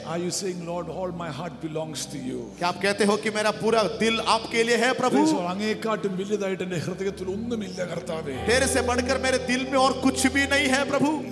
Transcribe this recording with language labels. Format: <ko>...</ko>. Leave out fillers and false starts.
<en>Are you saying Lord all my heart belongs to you</en> <hi>क्या आप कहते हो कि मेरा पूरा दिल आपके लिए है प्रभु</hi> <ml>അങ്ങേക്കാട്ട് വലുതായിട്ട് എന്റെ ഹൃദയത്തിൽ ഒന്നുമില്ല കർത്താവേ</ml> <hi>तेरे से बढ़कर मेरे दिल में और कुछ भी नहीं है प्रभु</hi>